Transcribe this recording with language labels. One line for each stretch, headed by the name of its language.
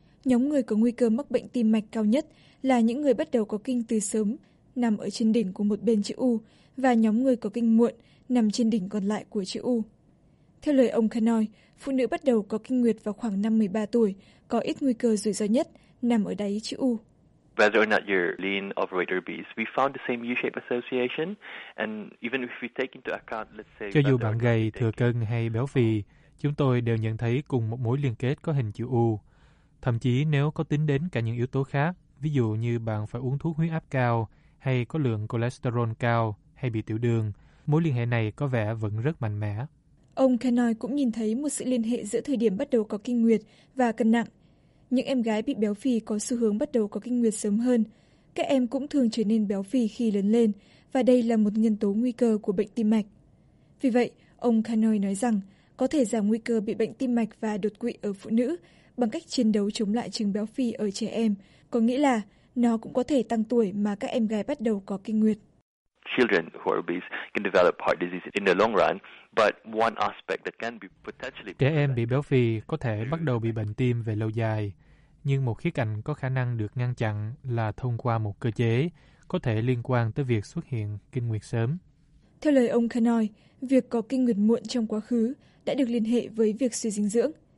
Vietnamese: Nhóm người có nguy cơ mắc bệnh tim mạch cao nhất là những người bắt đầu có kinh từ sớm, nằm ở trên đỉnh của một bên chữ U, và nhóm người có kinh muộn, nằm trên đỉnh còn lại của chữ U. Theo lời ông Kanoi, phụ nữ bắt đầu có kinh nguyệt vào khoảng năm 13 tuổi, có ít nguy cơ rủi ro nhất, nằm ở đáy chữ U.
English: Whether or not you're lean, overweight, or obese, we found the same U-shape association, and even if we take into account, let's say,
Vietnamese: cho dù bạn gầy, thừa cân hay béo phì, chúng tôi đều nhận thấy cùng một mối liên kết có hình chữ U. Thậm chí nếu có tính đến cả những yếu tố khác, ví dụ như bạn phải uống thuốc huyết áp cao, hay có lượng cholesterol cao, hay bị tiểu đường, mối liên hệ này có vẻ vẫn rất mạnh mẽ. Ông Kanoi cũng nhìn thấy một sự liên hệ giữa thời điểm bắt đầu có kinh nguyệt và cân nặng. Những em gái bị béo phì có xu hướng bắt đầu có kinh nguyệt sớm hơn. Các em cũng thường trở nên béo phì khi lớn lên, và đây là một nhân tố nguy cơ của bệnh tim mạch. Vì vậy, ông Kanoi nói rằng có thể giảm nguy cơ bị bệnh tim mạch và đột quỵ ở phụ nữ bằng cách chiến đấu chống lại chứng béo phì ở trẻ em, có nghĩa là nó cũng có thể tăng tuổi mà các em gái bắt đầu có kinh nguyệt.
English: Children who are obese can develop heart disease in the long run, but one aspect that can be potentially
Vietnamese: trẻ em bị béo phì có thể bắt đầu bị bệnh tim về lâu dài, nhưng một khía cạnh có khả năng được ngăn chặn là thông qua một cơ chế có thể liên quan tới việc xuất hiện kinh nguyệt sớm. Theo lời ông Kanoi, việc có kinh nguyệt muộn trong quá khứ đã được liên hệ với việc suy dinh dưỡng.